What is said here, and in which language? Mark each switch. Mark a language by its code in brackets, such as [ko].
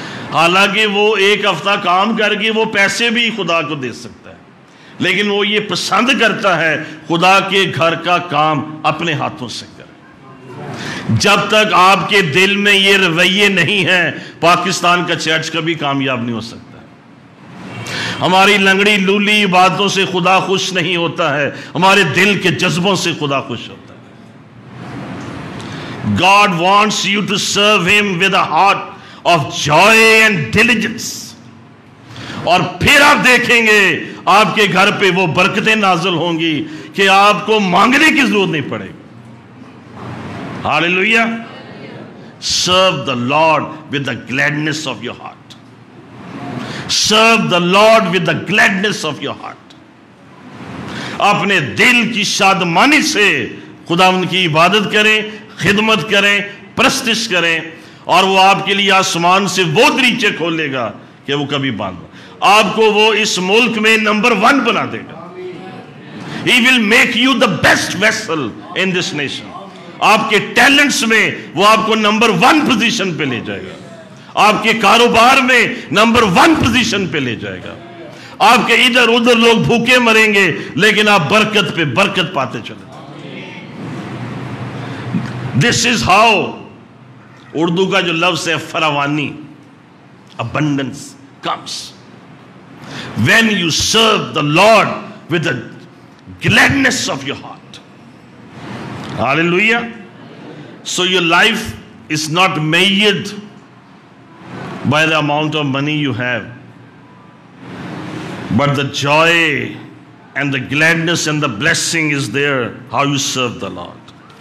[ur] حالانکہ وہ ایک ہفتہ کام کر کے وہ پیسے بھی خدا کو دے سکتا ہے، لیکن وہ یہ پسند کرتا ہے خدا کے گھر کا کام اپنے ہاتھوں سے کرے. جب تک آپ کے دل میں یہ رویے نہیں ہیں، پاکستان کا چرچ کبھی کامیاب نہیں ہو سکتا. ہماری لنگڑی لولی باتوں سے خدا خوش نہیں ہوتا ہے، ہمارے دل کے جذبوں سے خدا خوش ہوتا ہے. [en] God wants you to serve him with a heart of joy and diligence. [ur] اور پھر آپ دیکھیں گے آپ کے گھر پہ وہ برکتیں نازل ہوں گی کہ آپ کو مانگنے کی ضرورت نہیں پڑے گی. [en] Hallelujah. Serve the Lord with the gladness of your heart. Serve the Lord with the gladness of your heart. [ur] اپنے دل کی شادمانی سے خدا ان کی عبادت کریں، خدمت کریں، پرستش کریں، اور وہ آپ کے لیے آسمان سے وہ دریچے کھولے گا کہ وہ کبھی بند. آپ کو وہ اس ملک میں نمبر ون بنا دے گا. [en] He will make you the best vessel in this nation. [ur] آپ کے ٹیلنٹس میں وہ آپ کو نمبر ون پوزیشن پہ لے جائے گا، آپ کے کاروبار میں نمبر ون پوزیشن پہ لے جائے گا. آپ کے ادھر ادھر لوگ بھوکے مریں گے لیکن آپ برکت پہ برکت پاتے چلے. [en] This is how [ur] اردو کا جو لفظ ہے فراوانی، [en] Abundance comes when you serve the Lord with the gladness of your heart. Hallelujah. So your life is not measured by the amount of money you have, but the joy and the gladness and the blessing is there how you serve the Lord.